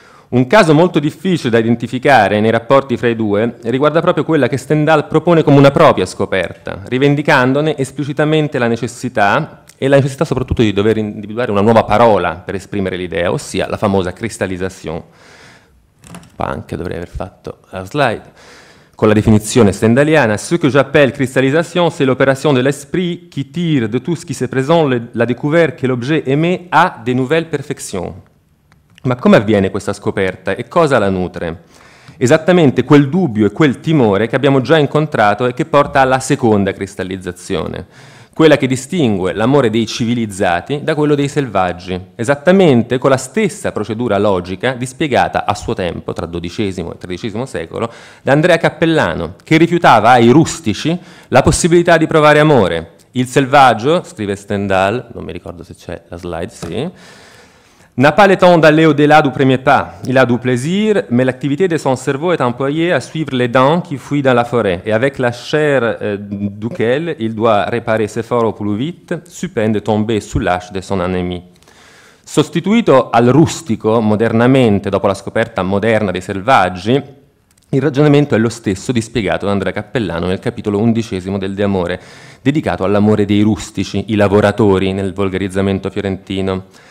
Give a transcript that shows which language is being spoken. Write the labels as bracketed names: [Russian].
[Italian] Un caso molto difficile da identificare nei rapporti fra i due riguarda proprio quella che Stendhal propone come una propria scoperta, rivendicandone esplicitamente la necessità e la necessità soprattutto di dover individuare una nuova parola per esprimere l'idea, ossia la famosa cristallisation. Punk, dovrei aver fatto la slide. Con la definizione stendhaliana, [French] ce que j'appelle cristallisation, c'est l'opération de l'esprit qui tire de tout ce qui se présente la découverte que l'objet aimé a de nouvelles perfections. [Italian] Ma come avviene questa scoperta e cosa la nutre? Esattamente quel dubbio e quel timore che abbiamo già incontrato e che porta alla seconda cristallizzazione, quella che distingue l'amore dei civilizzati da quello dei selvaggi, esattamente con la stessa procedura logica dispiegata a suo tempo, tra XII e XIII secolo, da Andrea Cappellano, che rifiutava ai rustici la possibilità di provare amore. Il selvaggio, scrive Stendhal, non mi ricordo se c'è la slide, sì, [French] n'a pas le temps d'aller au-delà du premier pas, il a du plaisir, mais l'activité de son cerveau est employée à suivre les dents qui fuient dans la forêt, et avec la chair duquel il doit réparer ses forts au plus vite, supin de tomber sous l'âge de son ennemi. [Italian] Sostituito al rustico, modernamente, dopo la scoperta moderna dei selvaggi, il ragionamento è lo stesso dispiegato da Andrea Cappellano nel capitolo undicesimo del De Amore, dedicato all'amore dei rustici, i lavoratori, nel volgarizzamento fiorentino.